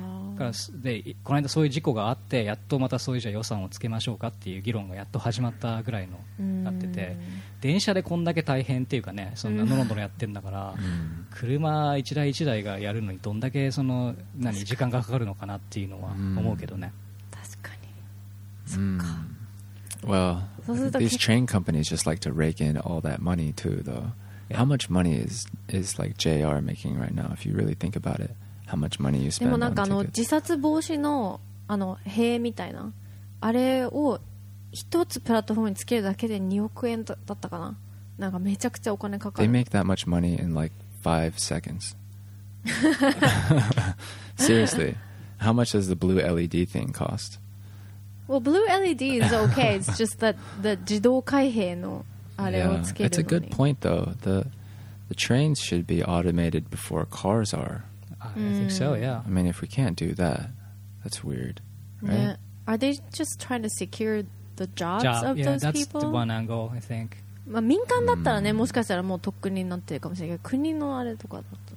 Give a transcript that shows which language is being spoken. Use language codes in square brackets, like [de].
[ja] うん、からでこの間そういう事故があってやっとまたそういうじゃ予算をつけましょうかっていう議論がやっと始まったぐらいのなってて、電車でこんだけ大変っていうかね、そんなのろのろやってんだから、うん、車一台一台がやるのにどんだけその何時間がかかるのかなっていうのは思うけどね。確かに、そっか、うん、 [en] Well, these train companies just like to rake in all that money too though、yeah. How much money is like JR making right now if you really think about itHow much money you spend [ja] でもなんかあの自殺防止 の, あの塀みたいなあれを一つプラットフォームにつけるだけで2億円だったかな、なんかめちゃくちゃお金かかる。 [en] They make that much money in like 5 seconds. Seriously, how much does the blue LED thing cost? Well, blue LED is okay. It's just that the [ja] 自動開閉のあれをつけるのに。 [en] It's a good point though. The trains should be automated before cars are. I think so, yeah. I mean, if we can't do that, that's weird, right? Yeah. Are they just trying to secure the jobs of yeah, those people? Yeah, that's the one angle, I think. [ja] まあ民間だったらね、もしかしたらもうとっくになってるかもしれないけど、国のあれとかだと。